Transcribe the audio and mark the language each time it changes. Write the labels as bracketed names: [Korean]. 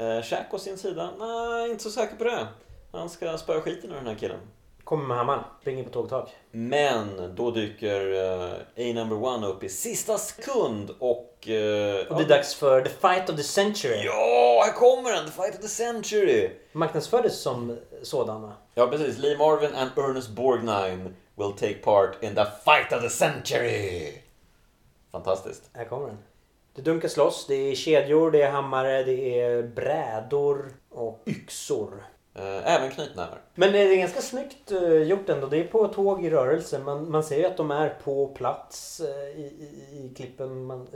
[Swedish] Jack å sin sida, nej, inte så säker på det. Han ska spöra skiten ur den här killen. Kommer med hammaren, springer på tågtak. Men då dyker A Number One upp i sista sekund och det är dags för The Fight of the Century. Ja, här kommer den, The Fight of the Century. Marknadsfördes som sådan, va? Ja, precis. [English] Lee Marvin and Ernest Borgnine will take part in The Fight of the Century. [Swedish] Fantastiskt. Här kommer den. Det dunkas loss, det är kedjor, det är hammare, det är brädor och yxor. Även knytnävar. Men det är ganska snyggt gjort ändå. Det är på tåg i rörelse. Man ser ju att de är på plats i klippen.